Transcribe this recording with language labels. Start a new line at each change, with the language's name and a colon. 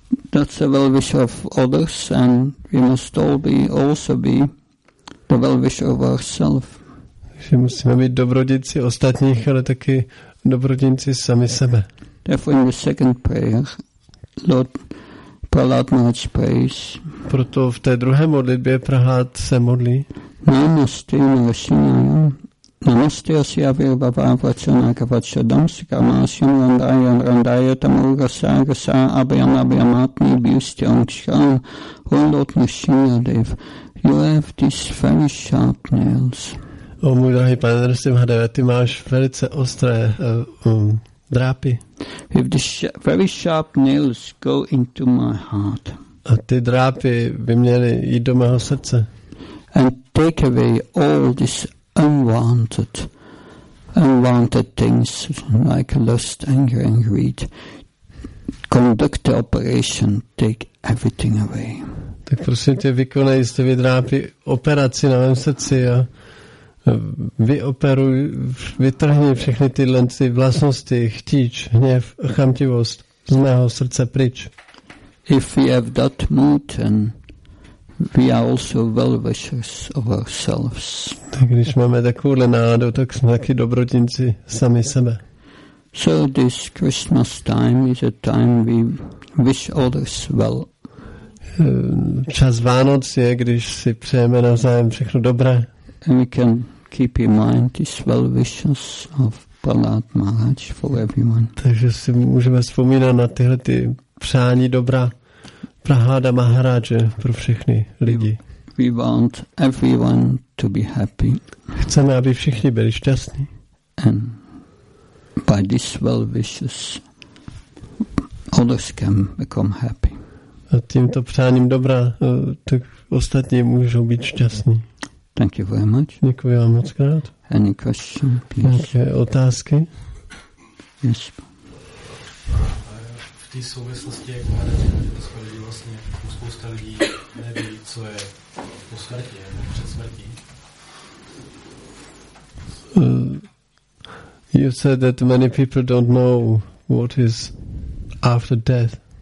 English: That's a well-wisher of others, and we must also be the well-wisher of ourselves.
Czech: Že musíme být dobrodinci ostatních, ale taky dobrodinci sami sebe.
English: Therefore in the second prayer, Lord Prahlad Maharaj prays.
Czech: Proto v té druhé modlitbě Prahlad se modlí. Namaste Narasimhaya. Namaste Asyavir Bhavavacana Kavacadam Sikamasyam Randaya Randaya Tamurga Saga Sa Abhyam Abhyam Atmi Bhustyam Chikam.
English: O Lord Narasimhadev, you have these very sharp nails.
Czech: O můj drahý pane Narasimhadeva, ty máš velice ostré drápy.
English: If the very sharp nails go into my heart.
Czech: A ty drápy by měly jít do mého srdce.
English: And take away all this unwanted things like lust, anger and greed. Conduct the operation, take everything away.
Czech: Tak prosím tě, vykonej z těch drápy operaci na mém srdci a vyoperuj, vytrhni všechny tyhle vlastnosti, chtíč, hněv, chamtivost z mého srdce pryč.
English: If we have that mood, then we are also well-wishers of ourselves.
Czech: Tak když máme takovouhle náladu, tak jsme taky dobrodinci sami sebe.
English: So this Christmas time is a time we wish others well.
Czech: Čas Vánoc je, když si přejeme navzájem všechno dobré.
English: And we can keep in mind these well wishes of Prahlad Maharaj for everyone.
Czech: Takže si můžeme vzpomínat na tyhle ty přání dobra Prahlada Maharaje pro všechny lidi.
English: We want everyone to be happy.
Czech: Chceme, aby všichni byli šťastní.
English: And by these well wishes, others can become happy.
Czech: A tímto přáním dobra, tak ostatní můžou být šťastní.
English: Thank you very much.
Czech: Děkuji vám moc krát.
English: Any question, please?
Czech: Nějaké otázky?
English: Yes.
Czech: V té souvislosti, jak Maharaj říká, že vlastně spousta lidí neví, co je po smrti nebo před smrtí.
English: You said that many people don't know what is after death.